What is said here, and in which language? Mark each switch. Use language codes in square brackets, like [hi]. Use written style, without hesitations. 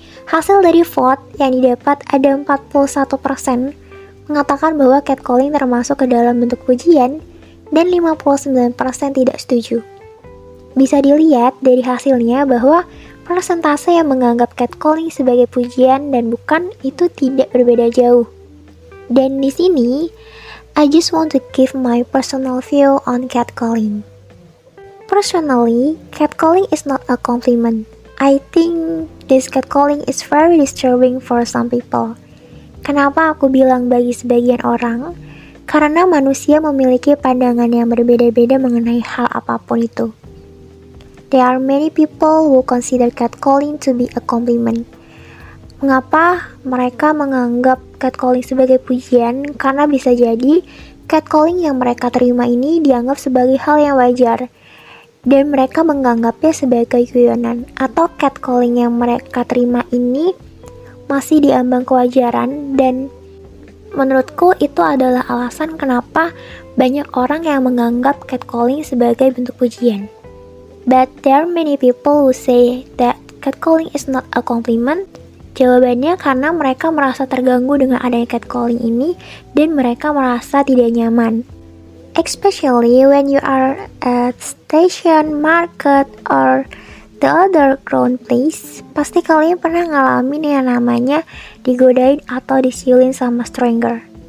[id] Hasil dari vote yang didapat ada 41% mengatakan bahwa catcalling termasuk ke dalam bentuk pujian, dan 59% tidak setuju. Bisa dilihat dari hasilnya bahwa persentase yang menganggap catcalling sebagai pujian dan bukan itu tidak berbeda jauh. Dan di sini, [en] I just want to give my personal view on catcalling. Personally, catcalling is not a compliment. I think this catcalling is very disturbing for some people. [id] Kenapa aku bilang bagi sebagian orang? Karena manusia memiliki pandangan yang berbeda-beda mengenai hal apapun itu. [en] There are many people who consider catcalling to be a compliment. [id] Mengapa mereka menganggap catcalling sebagai pujian? Karena bisa jadi catcalling yang mereka terima ini dianggap sebagai hal yang wajar, dan mereka menganggapnya sebagai guyonan, atau catcalling yang mereka terima ini masih diambang kewajaran. Dan menurutku itu adalah alasan kenapa banyak orang yang menganggap catcalling sebagai bentuk pujian. [en] But there are many people who say that catcalling is not a compliment. [id] Jawabannya karena mereka merasa terganggu dengan adanya catcalling ini, dan mereka merasa tidak nyaman. [en] Especially when you are at station, market, or the other crowd place, [id] pasti kalian pernah ngalamin yang namanya digodain atau disiulin sama stranger.